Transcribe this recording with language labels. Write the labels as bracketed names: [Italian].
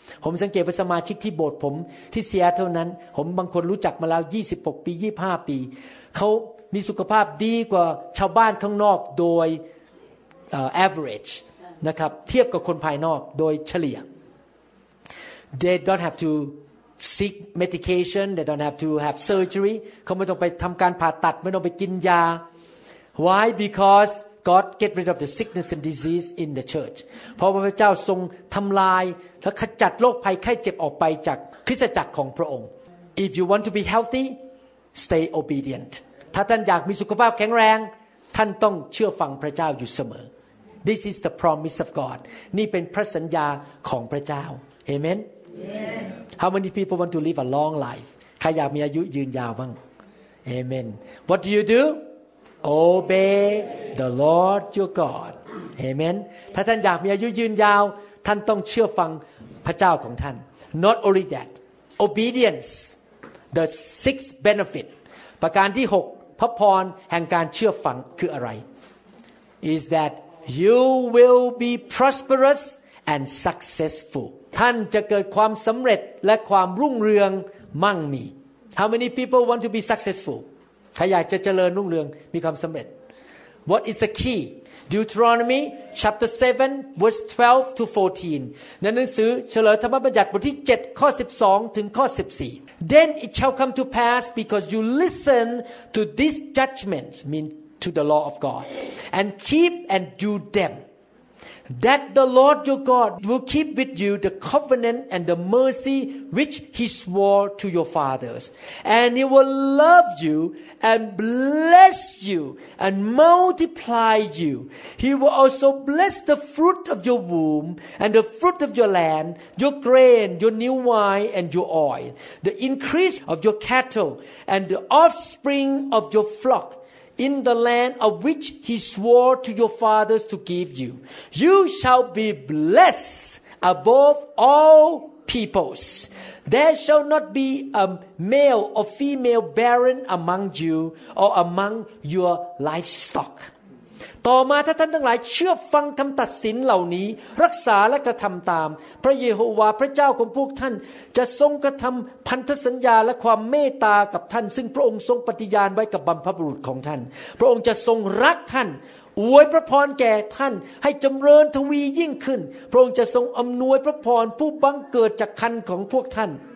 [Thai] ผมสังเกตว่าสมาชิกที่โบสถ์ผมที่เซียเท่านั้นผมบางคนรู้จักมาแล้ว26ปี25ปีเขามีสุขภาพดีกว่าชาวบ้านข้างนอกโดย average นะครับเทียบกับคนภายนอกโดยเฉลี่ย [English] They don't have to seek medication. They don't have to have surgery. [Thai] เขาไม่ต้องไปทำการผ่าตัดไม่ต้องไปกินยา [English] Why? Because God get rid of the sickness and disease in the church. [Thai] เพราะพระเจ้าทรงทำลายและขจัดโรคภัยไข้เจ็บออกไปจากคริสตจักรของพระองค์ [English] If you want to be healthy, stay obedient. [Thai] ถ้าท่านอยากมีสุขภาพแข็งแรงท่านต้องเชื่อฟังพระเจ้าอยู่เสมอ [English] This is the promise of God. [Thai] นี่เป็นพระสัญญาของพระเจ้า Amen. [English] How many people want to live a long life? [Thai] ใครอยากมีอายุยืนยาวบ้าง [English] Amen. What do you do? Obey the Lord your God. Amen. [Thai] ถ้าท่านอยากมีอายุยืนยาวท่านต้องเชื่อฟังพระเจ้าของท่าน [English] Not only that. Obedience. The sixth benefit. [Thai] ประการที่6พระพรแห่งการเชื่อฟังคืออะไร [English] Is thatYou will be prosperous and successful. [Thai] ท่านจะเกิดความสำเร็จและความรุ่งเรืองมั่งมี [English] How many people want to be successful? [Thai] ถ้าอยากจะเจริญรุ่งเรืองมีความสำเร็จ [English] What is the key? Deuteronomy chapter 7 verse 12 to 14. [Thai] ในหนังสือเฉลยธรรมบัญญัติบทที่7ข้อ12ถึงข้อ14. [English] Then it shall come to pass because you listen to these judgments. MeanTo the law of God, and keep and do them, that the Lord your God will keep with you the covenant and the mercy which He swore to your fathers, and He will love you and bless you and multiply you. He will also bless the fruit of your womb and the fruit of your land, your grain, your new wine and your oil, the increase of your cattle and the offspring of your flock. In the land of which he swore to your fathers to give you, you shall be blessed above all peoples. There shall not be a male or female barren among you or among your livestock. [Thai] ต่อมาถ้าท่านทั้งหลายเชื่อฟังคำตัดสินเหล่านี้รักษาและกระทำตามพระเยโฮวาห์พระเจ้าของพวกท่านจะทรงกระทำพันธสัญญาและความเมตตากับท่านซึ่งพระองค์ทรงปฏิญาณไว้กับบรรพบุรุษของท่านพระองค์จะทรงรักท่านอวยพระพรแก่ท่านให้จำเริญทวียิ่งขึ้นพระองค์จะทรงอำนวยพระพรผู้บังเกิดจากครรภ์ของพวกท่าน